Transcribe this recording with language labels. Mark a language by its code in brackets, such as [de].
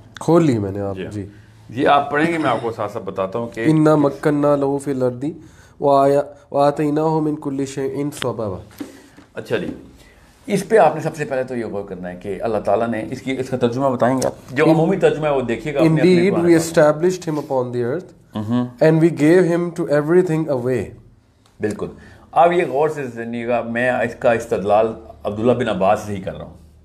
[ur] کھول لی میں نے آپ جی جی, آپ پڑھیں گے, میں آپ کو ساتھ ساتھ بتاتا ہوں کہ [ar] انا مکنا لہو فی الارض وآتیناہ من کل شیء سببا. [ur] اچھا جی, اس پہ آپ نے سب سے پہلے تو یہ غور کرنا ہے کہ اللہ تعالیٰ نے اس کی, اس کا ترجمہ بتائیں گے, جو عمومی ترجمہ ہے وہ دیکھیے گا. [en] Indeed, we established him upon the earth and we gave him to everything away. [ur] بالکل, اب یہ غور سے سنیے گا, میں اس کا استدلال عبداللہ بن عباس سے ہی کر رہا ہوں.